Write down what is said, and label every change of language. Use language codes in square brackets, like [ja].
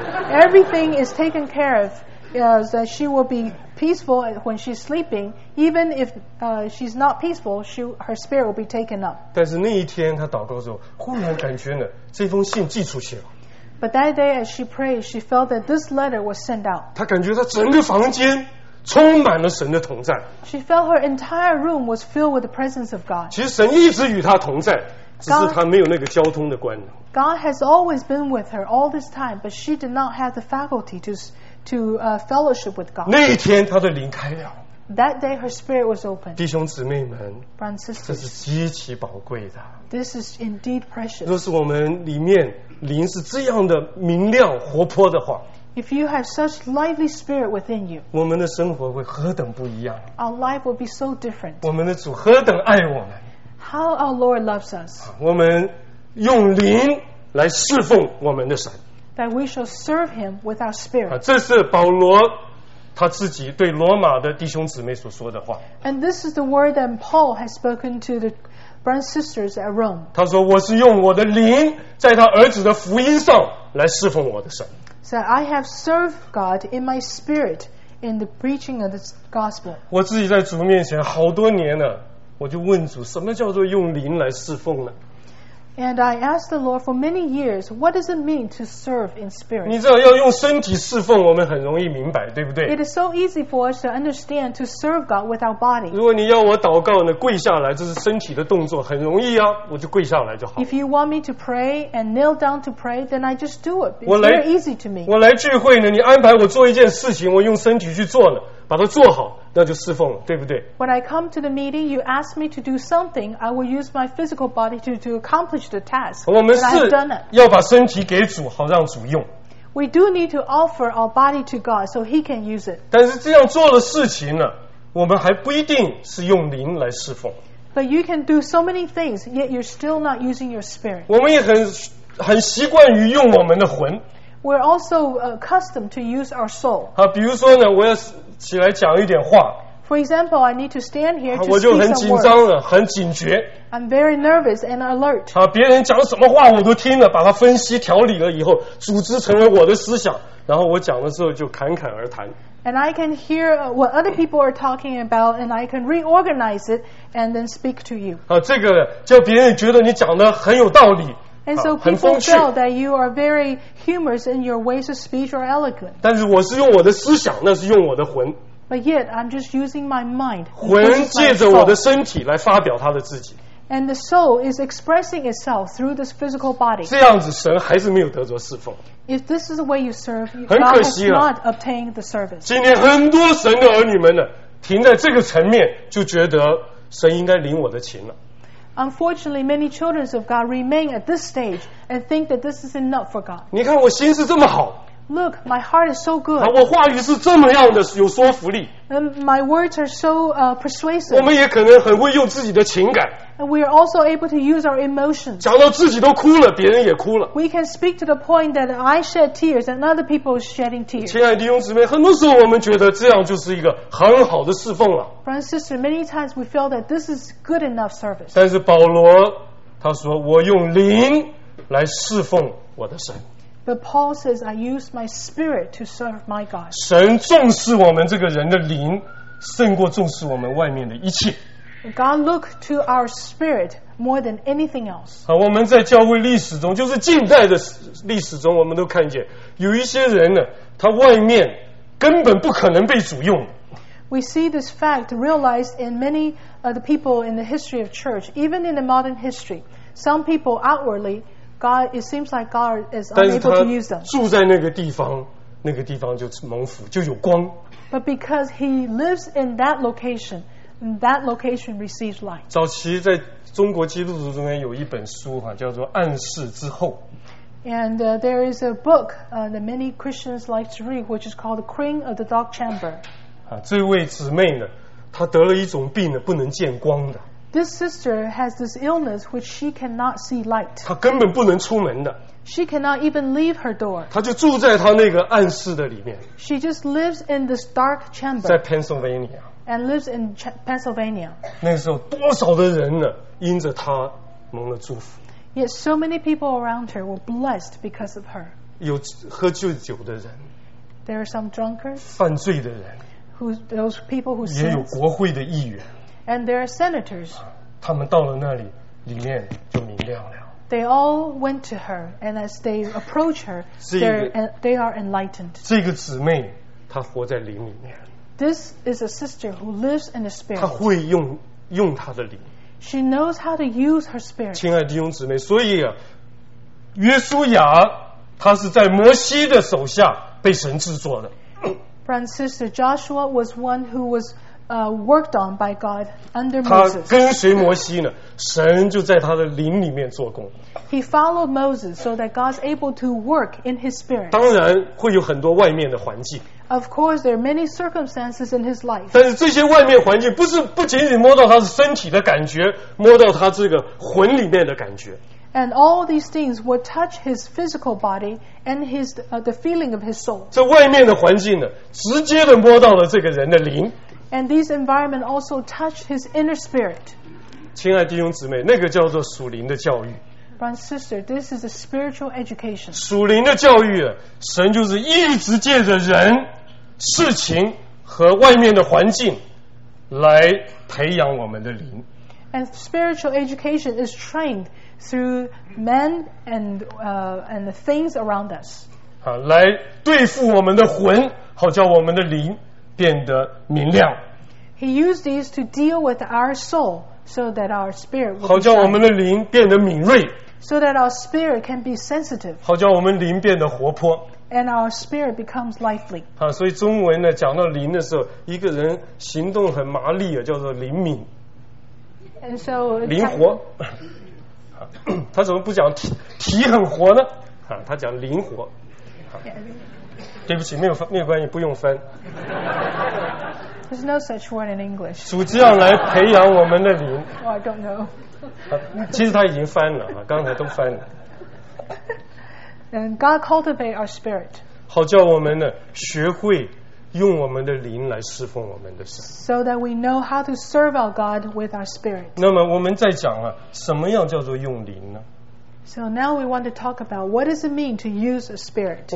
[en] Everything is taken care of, that she will be peaceful when she's sleeping. Even if she's not peaceful, her spirit will be taken up. [zh] 但是那一天她祷告的时候，忽然感觉呢，这封信寄出去了。 [en] But that day as she prayed, she felt that this letter was sent out. [zh] 她感觉她整个房间充满了神的同在。 [en] She felt her entire room was filled with the presence of God. [zh] 其实神一直与她同在，只是她没有那个交通的官能。 [en] God has always been with her all this time, but she did not have the faculty to fellowship with God. [zh] 那一天她的灵开了。 [en] That day her spirit was open. [zh] 弟兄姊妹们， [en] Brothers and sisters, [zh] 这是极其宝贵的。 [en] This is indeed precious. [zh] 若是我们里面灵是这样的明亮活泼的话。 [en] If you have such lively spirit within you, [zh] 我们的生活会何等不一样。 [en] Our life will be so different. [zh] 我们的主何等爱我们。 [en] How our Lord loves us. [zh] 我们用灵来侍奉我们的神。 [en] That we shall serve him with our spirit. [zh] 这是保罗他自己对罗马的弟兄姊妹所说的话。 [en] And this is the word that Paul has spoken to the brothers and sisters at Rome. [zh] 他说：“我是用我的灵在他儿子的福音上来侍奉我的神。” [en] So I have served God in my spirit in the preaching of the gospel. [zh] 我自己在主面前好多年了，我就问主，什么叫做用灵来侍奉呢？ [en] And I asked the Lord for many years, what does it mean to serve in spirit? [zh] 你知道要用身体侍奉，我们很容易明白，对不对？ [en] It is so easy for us to understand to serve God with our body. [zh] 如果你要我祷告呢，跪下来，这是身体的动作，很容易啊，我就跪下来就好。 [en] If you want me to pray and kneel down to pray, then I just do it. It's very easy to me. [zh] 我来聚会呢，你安排我做一件事情，我用身体去做了。把它做好，那就侍奉了，对不对？ [en] When I come to the meeting, you ask me to do something, I will use my physical body to accomplish the task. [zh] 我们是要把身体给主，好让主用。 [en] We do need to offer our body to God so He can use it. [zh] 但是这样做的事情呢，我们还不一定是用灵来侍奉。 [en] But you can do so many things, yet you're still not using your spirit. [zh] 我们也很习惯于用我们的魂。 [en] We're also accustomed to use our soul. [zh] 好，比如说呢，我要起来讲一点话。 [en] For example, I need to stand here to speak some words. [zh] 我就很紧张了，很警觉。 [en] I'm very nervous and alert. [zh] 好，别人讲什么话我都听了，把它分析调理了以后，组织成为我的思想，然后我讲的时候就侃侃而谈。 [en] And I can hear what other people are talking about, and I can reorganize it and then speak to you. [zh] 好，这个叫别人觉得你讲的很有道理。 [en] And so people feel that you are very humorous in your ways of speech or eloquent. [zh] 但是我是用我的思想，那是用我的魂。 [en] But yet I'm just using my mind. [zh] 魂借着我的身体来发表他的自己。 [en] And the soul is expressing itself through this physical body. [zh] 这样子神还是没有得着侍奉。 [en] If this is the way you serve, God has not obtained the service. [zh] 今天很多神的儿女们呢，停在这个层面，就觉得神应该领我的情了。 [en] Unfortunately, many children of God remain at this stage and think that this is enough for God. [zh] 你看我心是这么好。 [en] Look, my heart is so good. [zh] 我话语是这么样的有说服力。 [en] And my words are so persuasive. [zh] 我们也可能很会用自己的情感。 [en] And we are also able to use our emotions. [zh] 讲到自己都哭了，别人也哭了。 [en] We can speak to the point that I shed tears and other people are shedding tears. [zh] 亲爱的弟兄姊妹，很多时候我们觉得这样就是一个很好的侍奉了。 [en] Brothers and sisters, many times we feel that this is good enough service. [zh] 但是保罗他说，我用灵来侍奉我的神。 [en] But Paul says, I use my spirit to serve my God. [zh] 神重视我们这个人的灵，胜过重视我们外面的一切。 [en] God looks to our spirit more than anything else. [zh] 好，我们在教会历史中，就是近代的历史中，我们都看见，有一些人呢，他外面根本不可能被主用。 [en] We see this fact realized in many of the people in the history of church, even in the modern history. Some people outwardly, God, it seems like God is unable to use them. [zh] 住在那个地方，那个地方就蒙福，就有光。 [en] But because he lives in that location, that location receives light. [zh] 早期在中国基督徒中间有一本书哈，叫做《暗示之后》。 [en] And there is a book that many Christians like to read, which is called The Queen of the Dark Chamber. [zh] 啊，这位姊妹呢，她得了一种病呢，不能见光的。 [en] This sister has this illness which she cannot see light. [zh] 她根本不能出门的。 [en] She cannot even leave her door. [zh] 她就住在她那个暗室的里面。 [en] She just lives in this dark chamber. [zh] 在 Pennsylvania. [en] And lives in Pennsylvania. [zh] 那时候多少的人呢，因着她蒙了祝福。 [en] Yet so many people around her were blessed because of her. [zh] 有喝醉酒的人。 [en] There are some drunkards. [zh] 犯罪的人。 [en] Those people who sin. [zh] 也有国会的议员。 [en] And there are senators. [zh] 他们到了那里，里面就明亮了。 [en] They all went to her, and as they approach her, they are enlightened. [zh] 这个姊妹，她活在灵里面。 [en] This is a sister who lives in the spirit. [zh] 她会用她的灵。 [en] She knows how to use her spirit. [zh] 亲爱的弟兄姊妹，所以啊，约书亚他是在摩西的手下被神制作的。 [en] Brother sister Joshua was one who was. Worked on by God under Moses. [zh] 他跟随摩西呢，神就在他的灵里面做工。 [en] He followed Moses so that God's able to work in his spirit. [zh] 当然会有很多外面的环境。 [en] Of course, there are many circumstances in his life. [zh] 但是这些外面环境不仅仅摸到他的身体的感觉，摸到他这个魂里面的感觉。 [en] And all these things would touch his physical body and his the feeling of his soul. [zh] 这外面的环境呢，直接的摸到了这个人的灵。 [en] And this environment also touched his inner spirit. [zh] 亲爱弟兄姊妹，那个叫做属灵的教育。 [en] Brother and sister, this is a spiritual education. [zh] 属灵的教育，神就是一直借着人、事情和外面的环境来培养我们的灵。 [en] And spiritual education is trained through men and the things around us. [zh] 来对付我们的魂，好叫我们的灵变得明亮。 [en] He used these to deal with our soul so that our spirit would be [zh] 好叫我们的灵变得敏锐。 [en] So that our spirit can be sensitive. [zh] 好叫我们灵变得活泼。 [en] And our spirit becomes lively. [zh] 所以中文呢讲到灵的时候，一个人行动很麻利，叫做灵敏。 [en] And so, [zh] 灵活他怎么不讲 体很活呢他讲灵活、yeah. 对不起没 没有关系不用分 [en] There's no such word in English [zh] 主这样来培养我们的灵、 [en] oh, I don't know [zh] 其实他已经翻了刚才都翻了 [en] And God cultivate our spirit [zh] 好叫我们呢学会用我们的灵来侍奉我们的神 [en] so that we know how to serve our God with our spirit [zh] 那么我们再讲啊什么样叫做用灵呢 [en] so now we want to talk about what does it mean to use a spirit